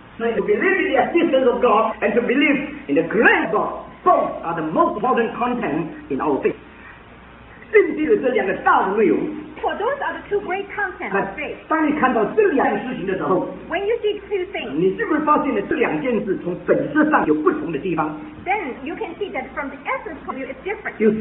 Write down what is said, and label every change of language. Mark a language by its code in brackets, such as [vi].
[en] So to believe in the existence of God and to believe in the grace of God, both are the most important content in our faith. [zh] 信心的这两个大的内容, [en] for those are the two great contents of faith. [zh] 当你看到这两件事情的时候, [en] when you see two things, [zh] 你是不是发现了这两件事从本质上有不同的地方? [en] Then you can see that from the essence of you it's different.